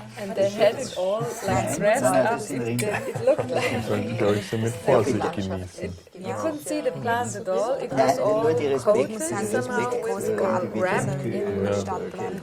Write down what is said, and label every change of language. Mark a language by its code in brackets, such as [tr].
[en] And they had it all like dressed up. It looked like. [de] Man sollte, glaube ich, so mit Vorsicht genießen. [en] You couldn't see the plans at all. It was all coated somehow with wrapped in the Stadtplan.